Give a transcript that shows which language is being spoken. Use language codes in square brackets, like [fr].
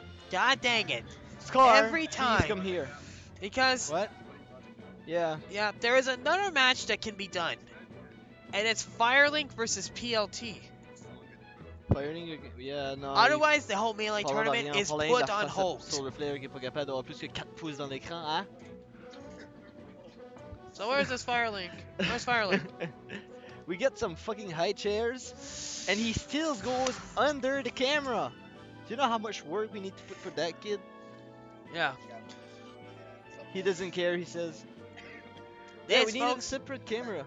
[en] God dang it. Scar, every time. Please come here. Because... What? Yeah. Yeah, there is another match that can be done. And it's Firelink versus PLT. Firelink, yeah, no. Otherwise, the whole Melee tournament is put on hold. So, [fr] le flair qui est pas capable d'avoir plus que 4 pouces dans l'écran, hein? [en] So, where's this Firelink? Where's Firelink? We get some fucking high chairs, and he still goes under the camera. Do you know how much work we need to put for that kid? Yeah. He doesn't care, he says. This, yeah, we need a separate camera.